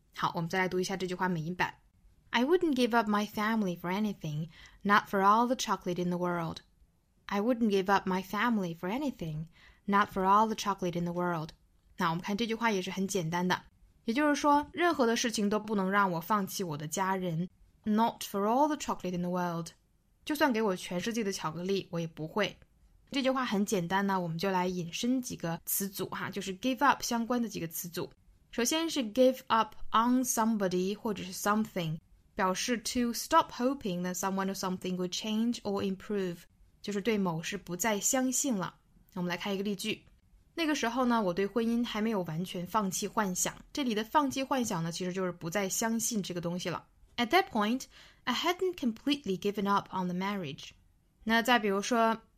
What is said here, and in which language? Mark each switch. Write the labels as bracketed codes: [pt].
[zh] 好，我们再来读一下这句话美音版。 [en] I wouldn't give up my family for anything, not for all the chocolate in the world. I wouldn't give up my family for anythingNot for all the chocolate in the world. [zh] 那我们看这句话也是很简单的，也就是说任何的事情都不能让我放弃我的家人。 [en] Not for all the chocolate in the world. [zh] 就算给我全世界的巧克力我也不会。这句话很简单呢，我们就来引申几个词组哈，就是 give up 相关的几个词组。首先是 give up on somebody 或者是 something， 表示 [en] to stop hoping that someone or something will change or improve， [zh] 就是对某事不再相信了。我们来看一个例句。那个时候呢我对婚姻还没有完全放弃幻想，这里的放弃幻想呢其实就是不再相信这个东西了。 [en] At that point I hadn't completely given up on the marriage. [zh] 那再比如说